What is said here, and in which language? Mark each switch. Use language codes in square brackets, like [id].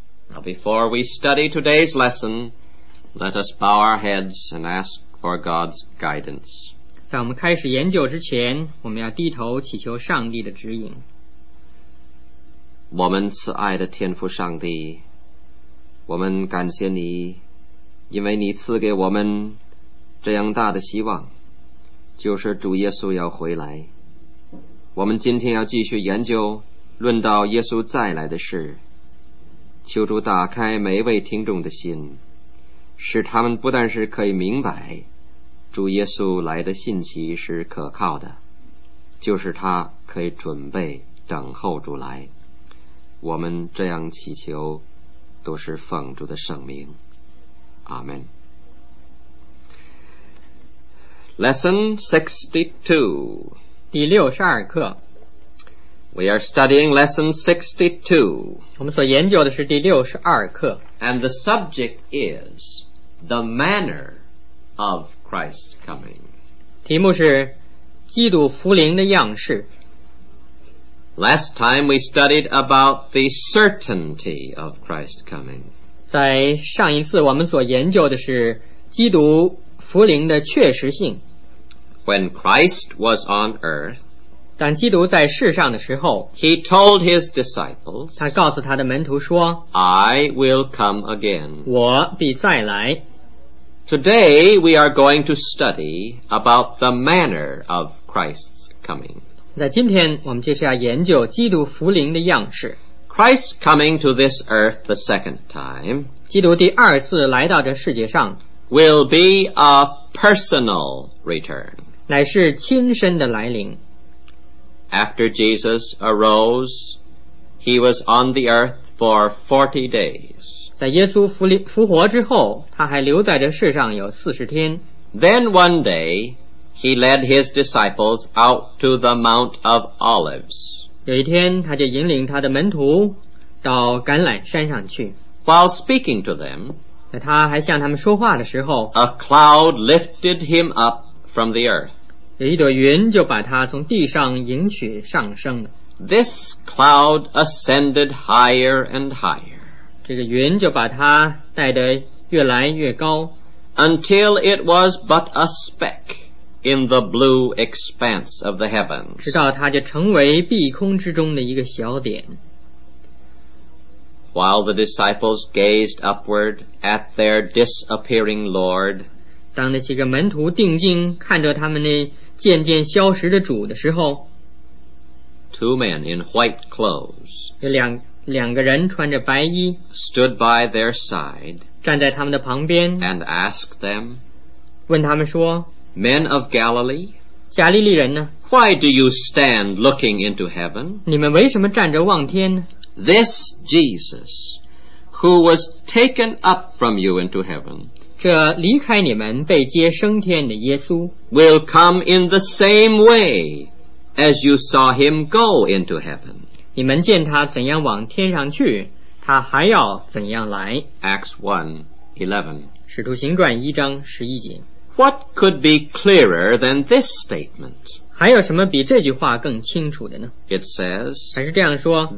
[en] Now before we study today's lesson, let us bow our heads and ask for God's guidance. [zh] 在我们开始研究之前，我们要低头祈求上帝的指引。我们慈爱的天父上帝，我们感谢你，因为你赐给我们这样大的希望，就是主耶稣要回来。我们今天要继续研究论到耶稣再来的事，求主打开每一位听众的心，使他们不但是可以明白主耶稣来的信息是可靠的，就是他可以准备等候主来。我们这样祈求都是奉主的圣名，阿们。 [en] Lesson 62， [zh] 第六十二课。 [en] We are studying Lesson 62， [zh] 我们所研究的是第六十二课。 [en] And the subject is the manner of Christ's coming， [zh] 题目是基督福临的样式。 [en] Last time we studied about the certainty of Christ's coming. [zh] 在上一次我们所研究的是基督福临的确实性。 [en] When Christ was on earth, [zh] 当基督在世上的时候， [en] He told his disciples, [zh] 他告诉他的门徒说， [en] I will come again. [zh] 我必再来。 [en] Today we are going to study about the manner of Christ's coming. [zh] 在今天我们接下来研究基督福临的样式。 [en] Christ coming to this earth the second time， [zh] 基督第二次来到这世界上， [en] will be a personal return， [zh] 乃是亲身的来临。 [en] After Jesus arose， he was on the earth for 40 days， [zh] 在耶稣复活之后，他还留在这世上有40天。 [en] Then one dayHe led his disciples out to the Mount of Olives. [zh] 有一天他就引领他的门徒到橄榄山上去。 [en] While speaking to them, [zh] 在他还向他们说话的时候， [en] a cloud lifted him up from the earth. [zh] 有一朵云就把他从地上迎取上升了。 [en] This cloud ascended higher and higher. [zh] 这个云就把他带得越来越高。 [en] Until it was but a speck. In the blue expanse of the heavens， [zh] 直到它就成为碧空之中的一个小点。 [en] While the disciples gazed upward at their disappearing Lord， [zh] 当那些个门徒定睛看着他们那渐渐消失的主的时候， [en] Two men in white clothes， [zh] 有两个人穿着白衣， [en] stood by their side， [zh] 站在他们的旁边， [en] and asked them， [zh] 问他们说， [en] Men of Galilee， [zh] 加利利人呢， [en] Why do you stand looking into heaven？ [zh] 你们为什么站着望天呢？ [en] This Jesus who was taken up from you into heaven， [zh] 这离开你们被接升天的耶稣， [en] will come in the same way as you saw him go into heaven。 [zh] 你们见他怎样往天上去，他还要怎样来。 [en] Acts 1:11， [zh] 使徒行传一章十一节。 [en] What could be clearer than this statement? [zh] 还有什么比这句话更清楚的呢？ [en] It says， [zh] 还是这样说，